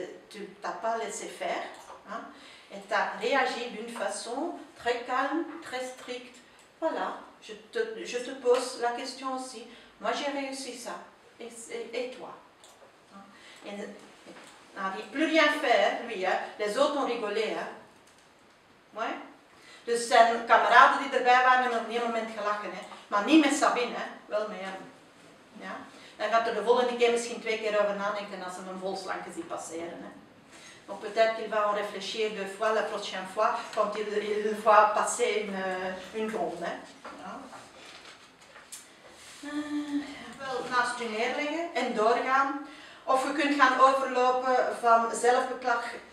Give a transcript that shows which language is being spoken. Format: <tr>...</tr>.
<fr>tu n'as pas laissé faire. Hein, et tu as réagi d'une façon très calme, très stricte. Voilà, je te pose la question aussi. Moi, j'ai réussi ça. Et toi? Henri, plus rien faire, lui. Hein, les autres ont rigolé. Hein. Ouais.</fr> <nl>Dus zijn kameraden die erbij waren, hebben op een moment gelachen. Hè. Maar niet met Sabine, hè. Wel met hem. Ja. Dan gaat er de volgende keer misschien twee keer over nadenken als ze een volslankje zien passeren. Hè.</nl> <fr>Donc peut-être qu'il va en réfléchir deux fois la prochaine fois quand il va passer une ronde. Hein. Ja.</fr> <nl>Wel naast je neerleggen en doorgaan. Of je kunt gaan overlopen van zelfbeklag.</nl>